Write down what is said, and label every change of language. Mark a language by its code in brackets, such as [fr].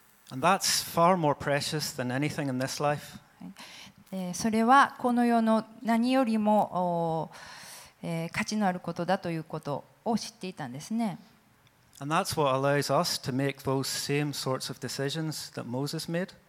[en] And that's far more precious than anything in this life. [ja] それはこの世の何よりも、価値のあることだということを知っていたんですね。 [en] And that's what allows us to make those same sorts of decisions that Moses made.